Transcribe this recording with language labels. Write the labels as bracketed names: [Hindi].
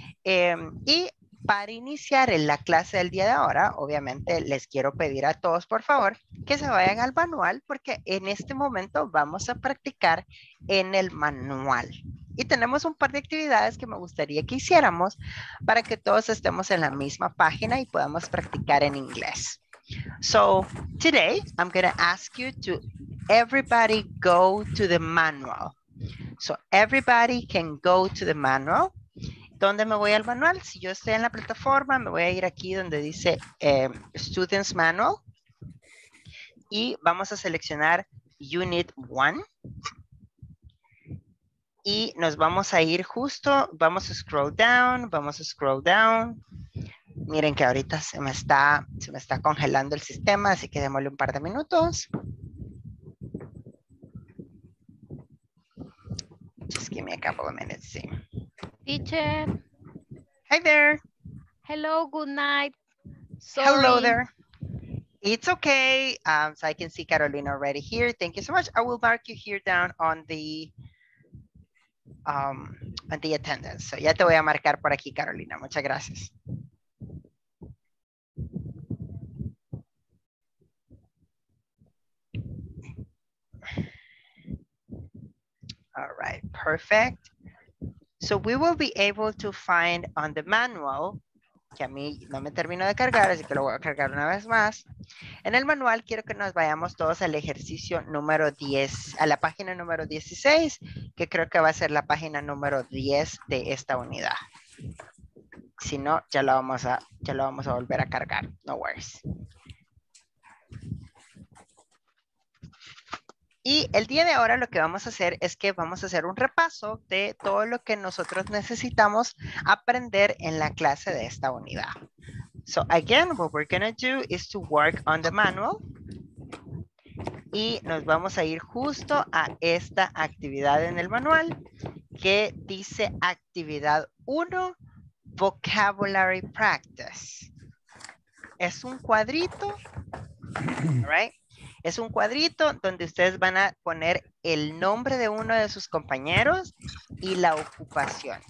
[Spanish] Y para iniciar en la clase del día de ahora, obviamente les quiero pedir a todos, por favor, que se vayan al manual, porque en este momento vamos a practicar en el manual. Y tenemos un par de actividades que me gustaría que hiciéramos para que todos estemos en la misma página y podamos practicar en inglés. [English] So, today I'm going to ask you to everybody go to the manual. So, everybody can go to the manual. [Spanish] ¿Dónde me voy al manual? Si yo estoy en la plataforma, me voy a ir aquí donde dice Students Manual. Y vamos a seleccionar Unit 1. Y nos vamos a ir justo, vamos a [English] scroll down. [Spanish] Miren que ahorita se me está congelando el sistema, así que démosle un par de minutos. [English] Just give me a couple of minutes, [Spanish] sí. [English] Teacher. Hi there. Hello, good night. Sorry. Hello there. It's okay. So I can see Carolina already here. Thank you so much. I will mark you here down on the the attendance. [Spanish] So ya te voy a marcar por aquí, Carolina. Muchas gracias. [English] All right, perfect. So we will be able to find on the manual, [Spanish] que a mí no me termino de cargar, así que lo voy a cargar una vez más. En el manual quiero que nos vayamos todos al ejercicio número 10, a la página número 16, que creo que va a ser la página número 10 de esta unidad. Si no, ya lo vamos a volver a cargar. [English] No worries. [Spanish] Y el día de ahora lo que vamos a hacer es que vamos a hacer un repaso de todo lo que nosotros necesitamos aprender en la clase de esta unidad. [English] So again, what we're going to do is to work on the manual. [Spanish] Y nos vamos a ir justo a esta actividad en el manual que dice actividad 1, vocabulary practice. Es un cuadrito, [English] right? [Spanish] Es un cuadrito donde ustedes van a poner el nombre de uno de sus compañeros y la ocupación.